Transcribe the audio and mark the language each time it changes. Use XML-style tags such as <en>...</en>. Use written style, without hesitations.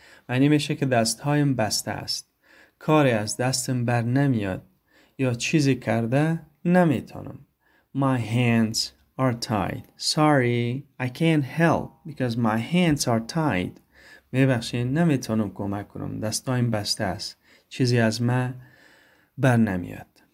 <fa>معنی میشه که دستهایم بسته است. کاری از دستم بر نمیاد یا چیزی کرده نمیتونم.</fa> <en>My hands are tied. Sorry, I can't help because my hands are tied.</en> <fa>میبخشین نمیتونم کمک کنم، دستایم بسته است، چیزی از من بر نمیاد.</fa>